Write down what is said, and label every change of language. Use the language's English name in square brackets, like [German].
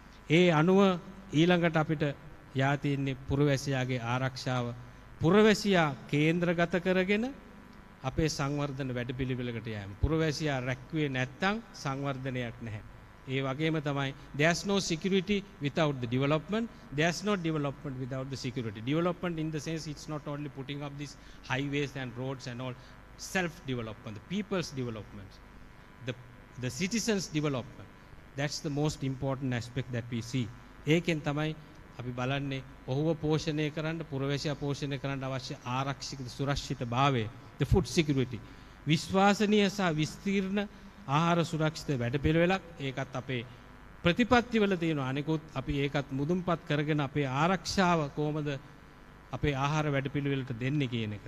[Sinhala] ඒ අනුව ඊළඟට අපිට යා තින්නේ පුරවැසියාගේ ආරක්ෂාව පුරවැසියා කේන්ද්‍රගත කරගෙන අපේ සංවර්ධන වැඩපිළිවෙලකට යෑම. පුරවැසියා රැක්වේ නැත්නම් සංවර්ධනයක් නැහැ. ඒ වගේම තමයි [English] there is no security without the development, there is no development without the security. Development in the sense it's not only putting up these highways and roads and all, self development, the people's development, the citizens development. That's the most important aspect that we see. [Sinhala] ඒකෙන් තමයි අපි බලන්නේ ඔහුව පෝෂණය කරන්න පුරවැසියා පෝෂණය කරන්න අවශ්‍ය ආරක්ෂිත සුරක්ෂිතභාවය [English] the food security. [Sinhala] විශ්වාසනීය සහ විස්තීර්ණ ආහාර සුරක්ෂිත වැඩපිළිවෙලක් ඒකත් අපේ ප්‍රතිපත්තිවල තියෙනවා. අනිකුත් අපි ඒකත් මුදුන්පත් කරගෙන අපේ ආරක්ෂාව කොහොමද අපේ ආහාර වැඩපිළිවෙලට දෙන්නේ කියන එක.